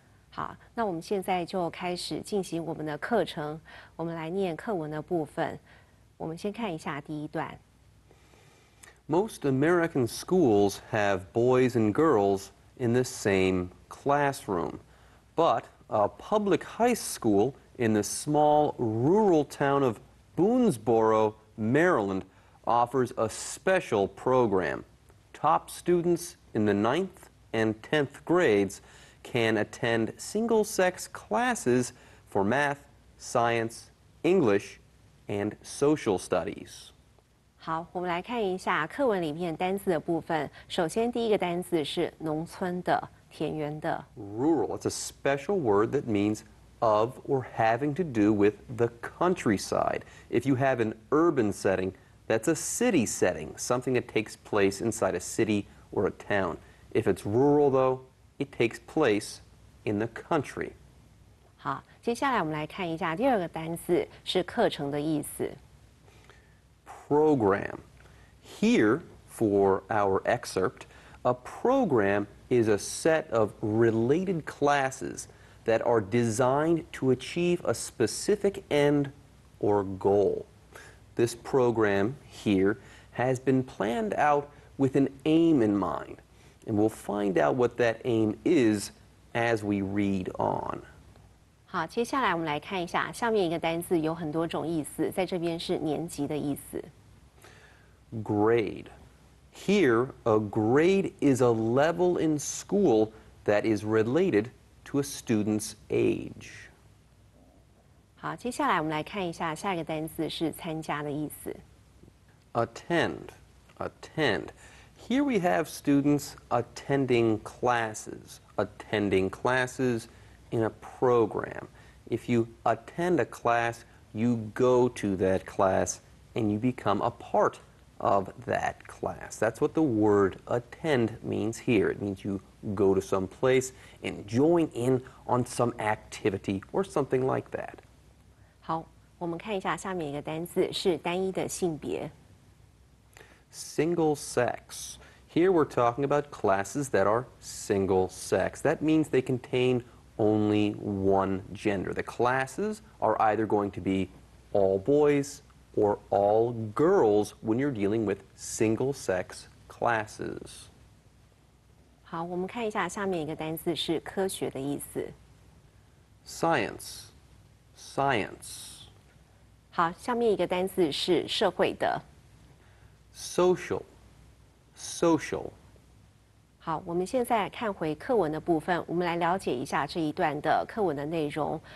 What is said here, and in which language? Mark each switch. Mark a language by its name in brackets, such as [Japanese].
[Chinese] 好，那我们现在就开始进行我们的课程，我们来念课文的部分。我们先看一下第一段。 [English] Most American schools have boys and girls in the same classroom, but a public high school in the small rural town of Boonesboro, Maryland, offers a special program. Top students in the 9th and 10th grades can attend single-sex classes for math, science, English,and social studies. [Chinese] 好，我们来看一下课文里面单字的部分。首先第一个单字是农村的，田园的。 [English] Rural, it's a special word that means of or having to do with the countryside. If you have an urban setting, that's a city setting, something that takes place inside a city or a town. If it's rural though, it takes place in the country. [Chinese] 好，接下来我们来看一下第二个单字，是课程的意思。 [English] Program. Here, for our excerpt, a program is a set of related classes that are designed to achieve a specific end or goal. This program here has been planned out with an aim in mind, and we'll find out what that aim is as we read on. [Chinese] 好，接下来我们来看一下下面一个单字，有很多种意思，在这边是年级的意思。 [English] Grade. Here, a grade is a level in school that is related to a student's age. [Chinese] 好，接下来我们来看一下下一个单字是参加的意思。 [English] Attend. Attend. Here we have students attending classes. Attending classes. In a program. If you attend a class, you go to that class and you become a part of that class. That's what the word attend means here. It means you go to some place and join in on some activity or something like that. [Chinese] 好，我们看一下下面一个单字是单一的性别。 [English] Single sex. Here we're talking about classes that are single sex. That means they contain only one gender. The classes are either going to be all boys or all girls when you're dealing with single-sex classes. [Chinese] 好，我们看一下下面一个单字是科学的意思。 [English] Science, science. [Chinese] 好，下面一个单字是社会的。 [English] Social, social. [Chinese] 好，我们现在看回课文的部分，我们来了解一下这一段的课文的内容。